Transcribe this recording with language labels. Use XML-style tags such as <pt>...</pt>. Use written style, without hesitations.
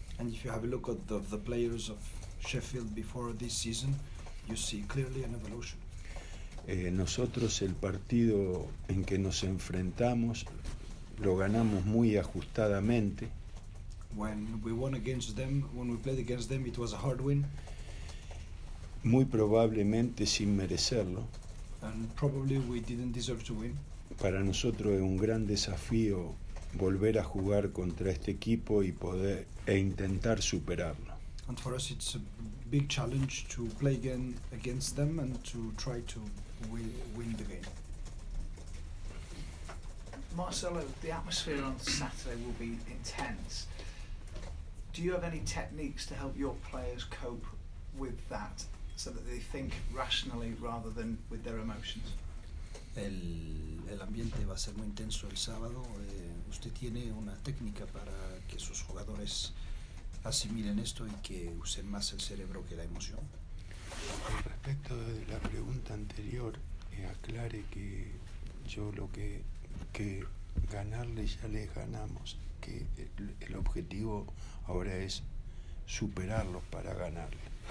<en>And if you have a look at the players of Sheffield before this season, you see clearly an evolution.</en> <es>Nosotros el partido en que nos enfrentamos lo ganamos muy ajustadamente.</es> <en>When we won against them, when we played against them, it was a hard win.</en> <es>Muy probablemente sin merecerlo.</es> <en>And probably we didn't deserve to win.</en> <es>Para nosotros es un gran desafío volver a jugar contra este equipo y poder e intentar superarlo.</es> <en>And for us it's a big challenge to play again against them and to try to win the game. Marcelo, the atmosphere on Saturday will be intense. Do you have any techniques to help your players cope with that so that they think rationally rather than with their emotions?</en> <es>El ambiente va a ser muy intenso el sábado. ¿Usted tiene una técnica para que sus jugadores asimilen esto y que usen más el cerebro que la emoción? Respecto de la pregunta anterior, aclare que yo lo que ganarles ya les ganamos, que el objetivo ahora es superarlos para ganarles.</es>